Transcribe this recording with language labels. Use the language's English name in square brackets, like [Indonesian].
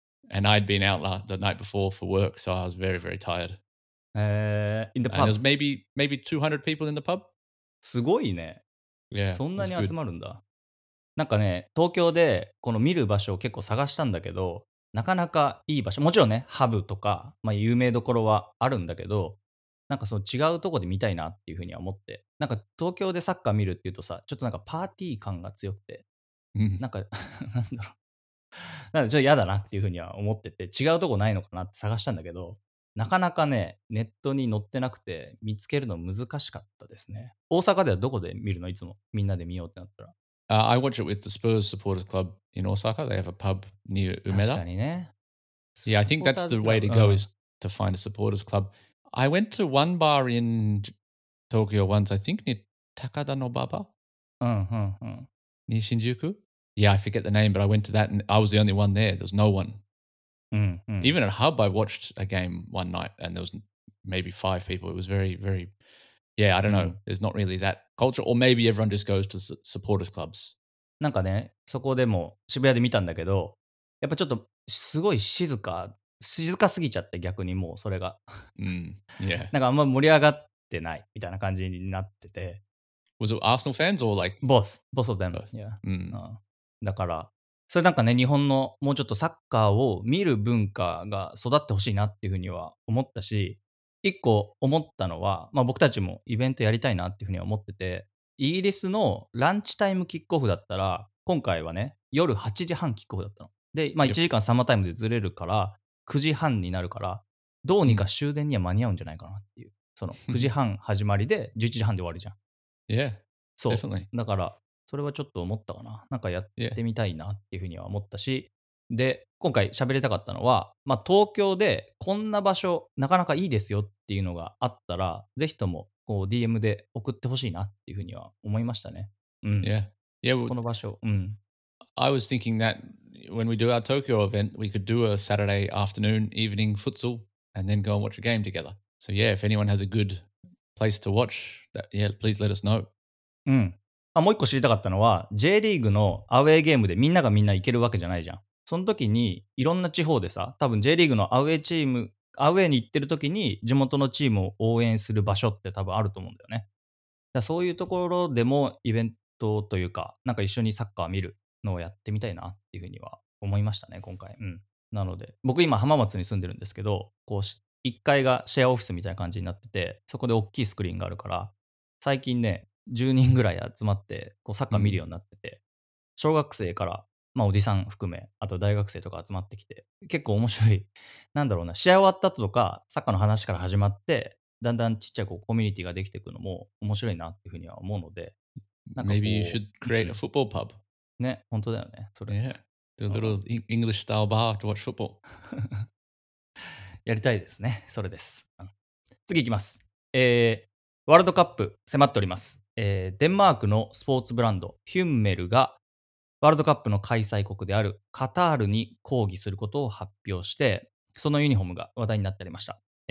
[English] And I'd been out the night before for work, so I was very, very tired. In the pub? And there was maybe 200 people in the pub. [Japanese] すごいね。 [English] Yeah, [Japanese] そんなに集まるんだ。なんかね、東京でこの見る場所を結構探したんだけど、なかなかいい場所、もちろんね、ハブとか、まあ、有名どころはあるんだけど、なんかその違うとこで見たいなっていうふうには思って、なんか東京でサッカー見るっていうとさ、ちょっとなんかパーティー感が強くて、なんかなんだろう、なんかちょっと嫌だなっていうふうには思ってて、違うとこないのかなって探したんだけど、なかなかねネットに載ってなくて見つけるの難しかったですね。大阪ではどこで見るの、いつもみんなで見ようってなったら、 [English] I watch it with the Spurs Supporters Club in Osaka. They have a pub near Umeda. [Japanese] 確かにね。 [English] Yeah, I think that's the way to go is to find a supporters club. I went to one bar in Tokyo once, I think, near Takada Nobaba. Near Shinjuku? Yeah, I forget the name, but I went to that and I was the only one there. There was no one. Even at Hub, I watched a game one night and there was maybe five people. It was very, very, Yeah, I don't know.、うん、There's not really that culture. Or maybe everyone just goes to supporters clubs. [Japanese] なんかね、そこでも渋谷で見たんだけど、やっぱちょっとすごい静か、静かすぎちゃって逆にもうそれが。 [English] Yeah. [Japanese] なんかあんま盛り上がってないみたいな感じになってて。 [English] Was it Arsenal fans or like? Both. Both of them. Both. Yeah.、 Mm. [Japanese] だから、それなんかね、日本のもうちょっとサッカーを見る文化が育ってほしいなっていうふうには思ったし、一個思ったのは、まあ僕たちもイベントやりたいなっていうふうには思ってて、イギリスのランチタイムキックオフだったら、今回はね、夜8時半キックオフだったの。で、まあ1時間サマータイムでずれるから、9時半になるから、どうにか終電には間に合うんじゃないかなっていう。その9時半始まりで11時半で終わるじゃん。 [English] Yeah, [Japanese] そう。 [English] Definitely. [Japanese] だから、それはちょっと思ったかな。なんかやってみたいなっていうふうには思ったし、で、今回喋りたかったのは、まあ東京でこんな場所なかなかいいですよっていうのがあったら、ぜひともこう DM で送ってほしいなっていうふうには思いましたね。うん。 [English] Yeah. Yeah, [Japanese] この場所。うん。 [English] I was thinking that when we do our Tokyo event, we could do a Saturday afternoon, evening futsal and then go and watch a game together. So yeah, if anyone has a good place to watch, that, yeah, please let us know. [Japanese] うん。あ、もう一個知りたかったのは、J リーグのアウェーゲームでみんながみんな行けるわけじゃないじゃん。その時にいろんな地方でさ、多分 J リーグのアウェーチーム、アウェーに行ってる時に地元のチームを応援する場所って多分あると思うんだよね。だそういうところでもイベントというか、なんか一緒にサッカー見るのをやってみたいなっていうふうには思いましたね、今回。うん。なので、僕今浜松に住んでるんですけど、こう、1階がシェアオフィスみたいな感じになってて、そこで大きいスクリーンがあるから、最近ね、10人ぐらい集まってこうサッカー見るようになってて、小学生から、まあ、おじさん含め、あと大学生とか集まってきて、結構面白い、なんだろうな、試合終わった後とか、サッカーの話から始まって、だんだんちっちゃいこうコミュニティができていくのも面白いなっていうふうには思うので、 [English] なんか Maybe you should create a football pub. [Japanese] ね、本当だよね、それ。 [English] Yeah, do a little English style bar to watch football. [Japanese] やりたいですね、それです。次いきます。ワールドカップ迫っております。デンマークのスポーツブランド、ヒュンメルが、ワールドカップの開催国であるカタールに抗議することを発表して、そのユニフォームが話題になっておりました。